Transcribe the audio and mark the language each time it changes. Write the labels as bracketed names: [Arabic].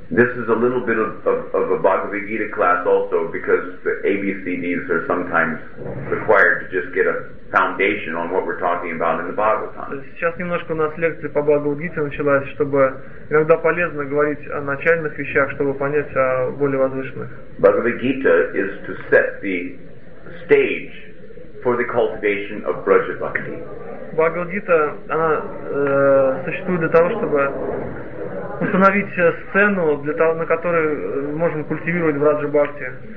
[English] This is a little bit of a Bhagavad Gita class also, because the ABCDs are sometimes required to just get a foundation on what we're talking about in the Bhagavatam. [Russian] Сейчас немножко у нас лекция по Бхагавад Гите началась, чтобы иногда полезно говорить о начальных вещах, чтобы понять о более возвышенных. [English] Bhagavad Gita is to set the stage for the cultivation of Braja Bhakti. [Russian] Bhagavad Gita, она существует для того, чтобы установить сцену, для того, на которой можем культивировать Браджа Бхакти.